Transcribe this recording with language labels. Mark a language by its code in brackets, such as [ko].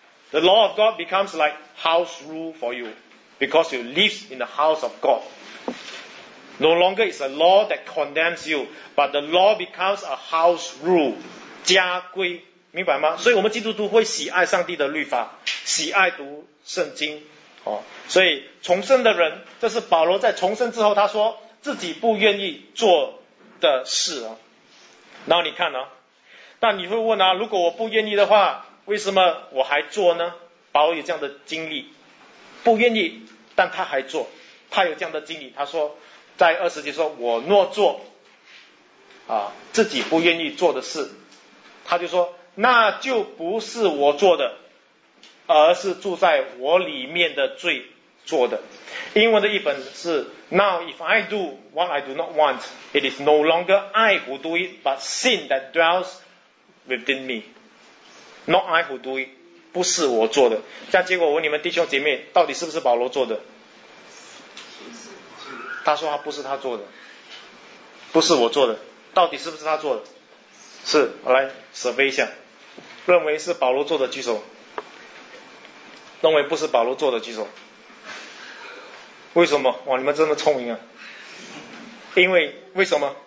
[en] The law of God becomes like house rule for you, because you live in the house of God. No longer is a law that condemns you, but the law becomes a house rule, [zh] 家规，明白吗？所以我们基督徒会喜爱上帝的律法，喜爱读圣经，哦，所以重生的人，这是保罗在重生之后他说自己不愿意做的事啊。然后你看啊，那你会问啊，如果我不愿意的话，为什么我还做呢？保罗有这样的经历，不愿意，但他还做，他有这样的经历。他说，在二十节说，我若做啊自己不愿意做的事，他就说，那就不是我做的，而是住在我里面的罪做的。英文的译本是 [en] ：Now if I do what I do not want, it is no longer I who do it, but sin that dwells within me. Not I who do it, [zh] 不是我做的。这样结果我问你们弟兄姐妹，到底是不是保罗做的？他说他不是他做的，不是我做的，到底是不是他做的？是，我来 survey 一下，认为是保罗做的举手，认为不是保罗做的举手。为什么？哇，你们真的聪明啊！为什么？